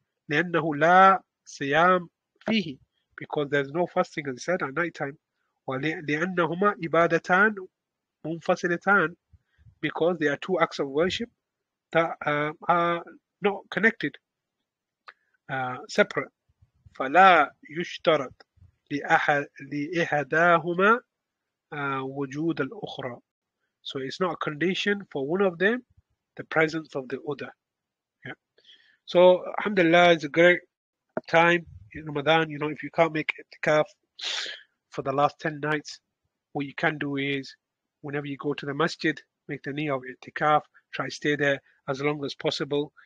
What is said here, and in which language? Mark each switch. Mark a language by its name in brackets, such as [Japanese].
[Arabic] لأنه لا صيام فيه, [English] because there's no fasting, as I said, at night time. [Arabic] ولأنهما عبادتان منفصلتان, [English] because they are two acts of worship that are not connected, separate. [Arabic] فلا يشترط لإحداهما وجود الأخرى. [English] So it's not a condition for one of them, the presence of the other. So alhamdulillah, it's a great time in Ramadan. You know, if you can't make itikaf for the last 10 nights, What you can do is, whenever you go to the masjid, make the niyyah of itikaf, try to stay there as long as possible.